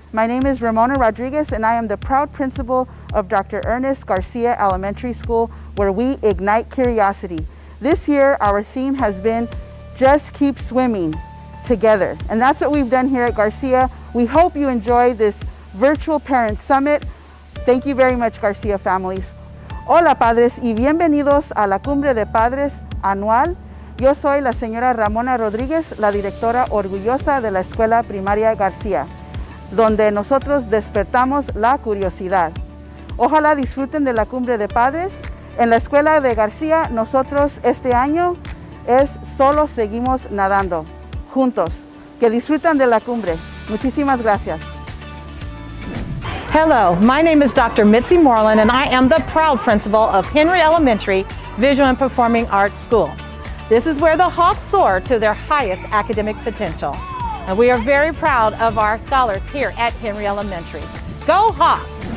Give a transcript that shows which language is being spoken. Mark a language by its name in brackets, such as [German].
[English] My name is Ramona Rodriguez, and I am the proud principal of Dr. Ernest Garcia Elementary School, where we ignite curiosity. This year, our theme has been Just Keep Swimming Together. And that's what we've done here at Garcia. We hope you enjoy this virtual Parent Summit. Thank you very much, Garcia families. [Spanish] Hola, padres, y bienvenidos a la Cumbre de Padres Anual. Yo soy la señora Ramona Rodriguez, la directora orgullosa de la Escuela Primaria Garcia, donde nosotros despertamos la curiosidad. Ojalá disfruten de la Cumbre de Padres. En la Escuela de Garcia, nosotros este año es Solo Seguimos Nadando. Juntos, que disfrutan de la cumbre. Muchísimas gracias. [English] Hello, my name is Dr. Mitzi Moreland, and I am the proud principal of Henry Elementary Visual and Performing Arts School. This is where the Hawks soar to their highest academic potential. And we are very proud of our scholars here at Henry Elementary. Go Hawks!